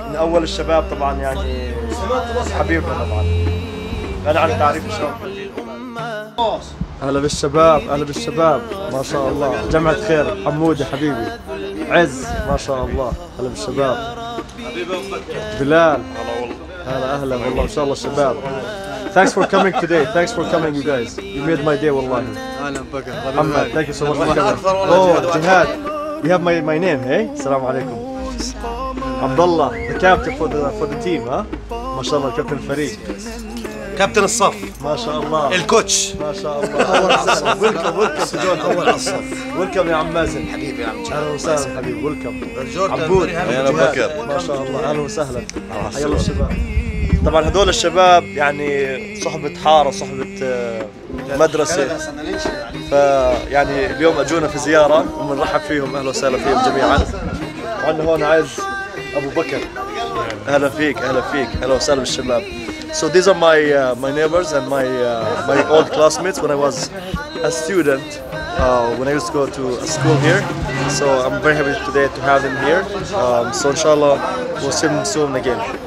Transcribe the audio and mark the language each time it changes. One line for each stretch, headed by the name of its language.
Arabic: من اول الشباب طبعا، يعني حبيبنا طبعا. أنا عن تعريف الشباب. أهلا بالشباب، أهلا بالشباب، ما شاء الله. جمعة خير، حمودي حبيبي، عز ما شاء الله. أهلا بالشباب. بلال. هلا والله. هلا أهلا والله، ما شاء الله الشباب.
English: Thanks for coming today. Thanks for coming you guys. You made my day
Arabic: والله. أهلا بك.
English: محمد. Thank you so much. Oh جهاد. You have my name. Hey.
Arabic: السلام عليكم.
English: عبد الله. The captain for the team.
Arabic: ها. ما شاء الله كابتن الفريق. كابتن الصف ما شاء الله، الكوتش ما شاء الله. ويلكم جورد اول الصف. ويلكم يا عم مازن حبيبي. يا عم اهلا وسهلا حبيبي. ويلكم عبود. انا بكر ما شاء الله. اهلا وسهلا. حيا الله الشباب. طبعا هذول الشباب يعني صحبه حاره، صحبه مدرسه، فيعني اليوم اجونا في زياره ومنرحب فيهم. اهلا وسهلا فيهم جميعا. وعندنا هون عز ابو بكر. اهلا فيك، اهلا فيك، اهلا وسهلا بالشباب.
English: So these are my my neighbors and my my old classmates when I was a student, when I used to go to a school here. So I'm very happy today to have them here. So inshallah we'll see them soon again.